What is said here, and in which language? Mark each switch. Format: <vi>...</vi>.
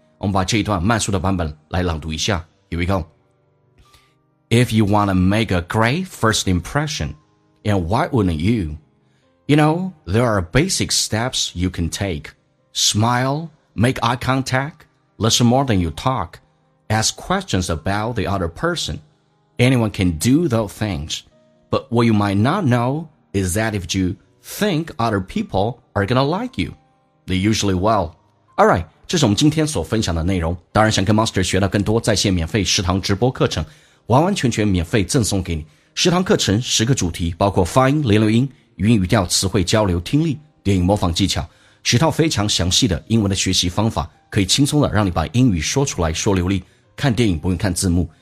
<zh>我们把这一段慢速的版本来朗读一下。</zh> <en>Here we go. If you wanna make a great first impression, and why wouldn't you? You know, there are basic steps you can take. Smile, make eye contact, listen more than you talk, ask questions about the other person. Anyone can do those things. But what you might not know is that if you think other people are gonna like you, they usually will.</en> <zh>Alright, 这是我们今天所分享的内容。当然想跟 Master 学到更多在线免费食堂直播课程，完完全全免费赠送给你。食堂课程十个主题，包括发音、连留音、语音语调、词汇交流、听力、电影模仿技巧。十套非常详细的英文的学习方法，可以轻松的让你把英语说出来说流利，看电影不用看字幕。</zh>